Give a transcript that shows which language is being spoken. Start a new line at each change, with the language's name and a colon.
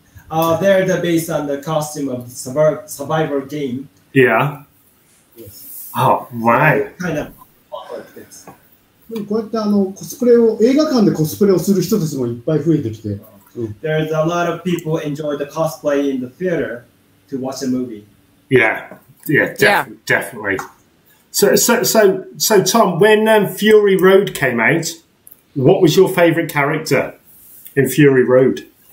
English: They're the based on the costume of the survivor game. Yeah. Yes. Oh, right. Kind of like this.
Japanese: こうやってあのコスプレを映画館でコスプレをする人たちもいっぱい増えてきて、
English: There's a lot of people enjoy the cosplay in the theater to watch a movie. Yeah, yeah, definitely. So Tom, when Fury Road came out, what was your favorite character in Fury Road?